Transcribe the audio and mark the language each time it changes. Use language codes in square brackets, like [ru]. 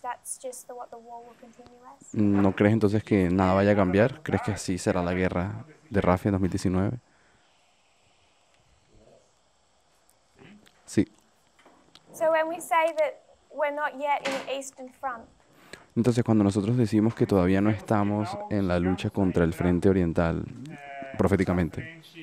[en] That's just what the war will continue as. [es] ¿No crees entonces que nada vaya a cambiar? ¿Crees que así será la guerra de Rafa en 2019? [en] So when we say that we're not yet in the Eastern Front. [es] Entonces cuando nosotros decimos que todavía no estamos en la lucha contra el frente oriental proféticamente.